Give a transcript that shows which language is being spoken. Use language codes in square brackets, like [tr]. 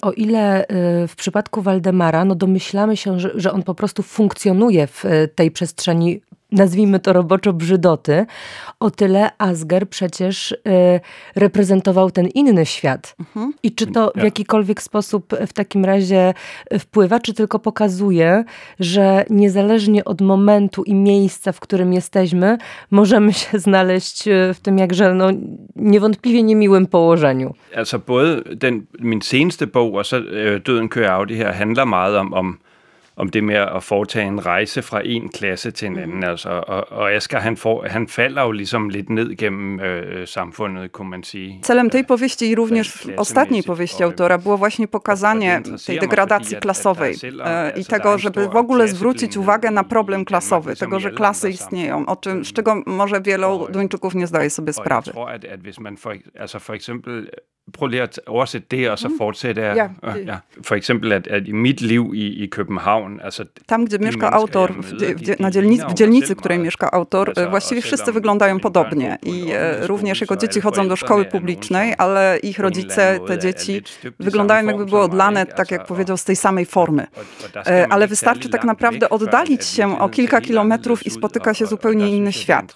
[pl] O ile w przypadku Waldemara, no domyślamy się, że on po prostu funkcjonuje w tej przestrzeni, nazwijmy to roboczo, brzydoty, o tyle Asger przecież reprezentował ten inny świat. Mhm. I czy to w jakikolwiek sposób w takim razie wpływa, czy tylko pokazuje, że niezależnie od momentu i miejsca, w którym jesteśmy, możemy się znaleźć w tym jakże no, niewątpliwie niemiłym położeniu. [da] Altså både ten min seneste bog, og så Døden kører Audi her, handler meget om det med at foretage en rejse fra en klasse til en anden. Altså, og Asger, han falder jo ligesom lidt ned gennem samfundet, kunne man sige. [pl] Celem tej powieści i również ostatniej powieści autora było właśnie pokazanie tej degradacji klasowej i tego, żeby w ogóle zwrócić uwagę na problem klasowy, tego, że klasy istnieją, o czym, z czego może wielu Duńczyków nie zdaje sobie sprawy. Ja myślę, że jeśli [da] man for eksempel... Prøv lige at oversætte det, og så fortsætte jeg. Ja. For eksempel, at i mit liv i København... Altså, [pl] tam, gdzie mieszka autor, w dzielnicy, w której mieszka autor, altså, właściwie wszyscy wyglądają podobnie. I również jego dzieci chodzą do szkoły publicznej, ale ich rodzice, te dzieci, wyglądają jakby było odlane, tak jak powiedział, z tej samej formy. Ale wystarczy tak naprawdę oddalić się o kilka kilometrów i spotyka się zupełnie inny świat.